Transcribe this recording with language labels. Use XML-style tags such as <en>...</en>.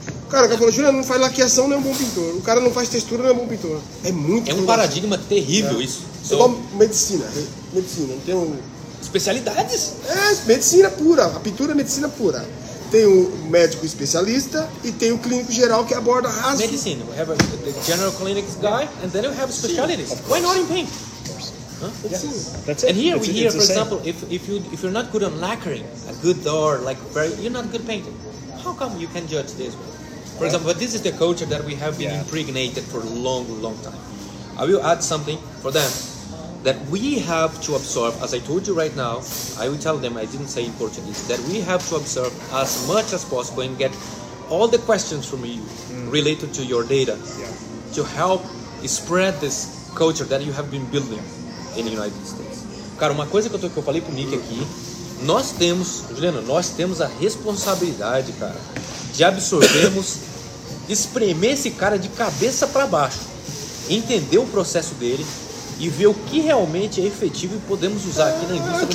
<pt>Cara, o cara falou, Juliano, não faz laqueação, não é um bom pintor. O cara não faz textura, não é um bom pintor. É muito É um paradigma terrível isso. É igual medicina, não tem um... Especialidades? É, medicina pura. A pintura é medicina pura. Tem o médico especialista e tem o clínico geral que aborda raso. Medicina.</pt> <en>We have the general clinics guy and then we have specialties. Why not in paint? That's it. And here it's here, for example, if you're not good on lacquering, a good door, like very, you're not good painter. How come you can judge this one? For example, but this is the culture that we have been impregnated for a long, long time. I will add something for them. That we have to absorb, as I told you right now, I will tell them, I didn't say in Portuguese, that we have to absorb as much as possible and get all the questions from you related to your data to help spread this culture that you have been building in the United States.</en> <pt>Cara, uma coisa que eu falei pro Nick aqui, nós temos, Juliano, nós temos a responsabilidade, cara, de absorvermos, espremer esse cara de cabeça para baixo, entender o processo dele, e ver o que realmente é efetivo e podemos usar aqui na indústria.</pt>